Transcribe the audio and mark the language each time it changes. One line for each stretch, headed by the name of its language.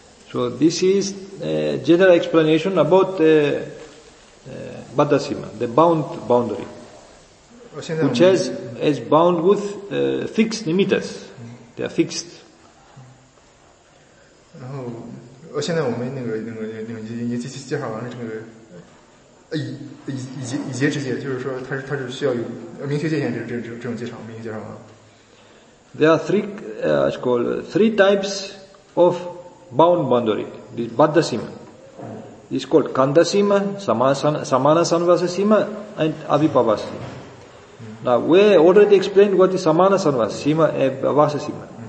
English: So this is a general explanation about Baddha-sima, the bound boundary, which is bound with fixed nimittas. They are fixed.
Chinese: 然后现在我们那个已经介绍完了这个以结之结，就是说它是需要有明确界限这种介绍，明确介绍完。
English: There are three, it's called three types of bound boundary. This Baddha Sima. It's called Kanda Sima, Samana Sanvasa Sima, and Avipavasa Sima. Now, we already explained what is Samana Sanvasa Sima and Avipavasa Sima.